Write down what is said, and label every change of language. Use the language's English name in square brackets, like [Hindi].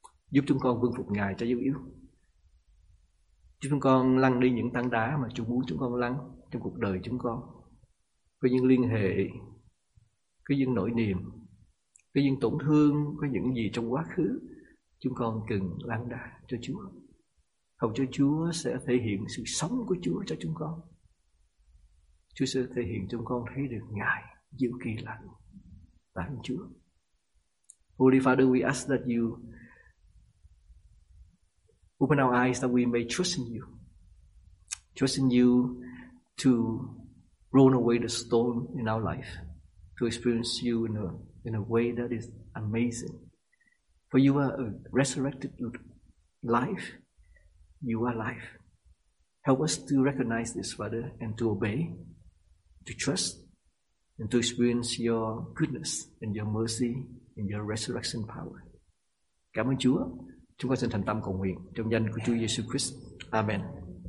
[Vietnamese] Giúp chúng con vâng phục Ngài cho dấu yếu. Chúng con lăn đi những tảng đá mà Chúa muốn chúng con lăn trong cuộc đời chúng con, với những liên hệ, với những nỗi niềm, với những tổn thương, với những gì trong quá khứ chúng con cần lăn đá cho Chúa. Hầu cho Chúa sẽ thể hiện sự sống của Chúa cho chúng con. Chúa sẽ thể hiện chúng con thấy được Ngài diệu kỳ lạnh. Tạ ơn Chúa. [English] Holy Father, we ask that you open our eyes that we may trust in you. Trust in you to roll away the storm in our life, to experience you in a way that is amazing. For you are a resurrected life. You are life. Help us to recognize this, Father, and to obey, to trust, and to experience your goodness and your mercy and your resurrection power. [Vietnamese] Cảm ơn Chúa. Chúng con xin thành tâm cầu nguyện trong danh của Chúa Giêsu Christ. Amen.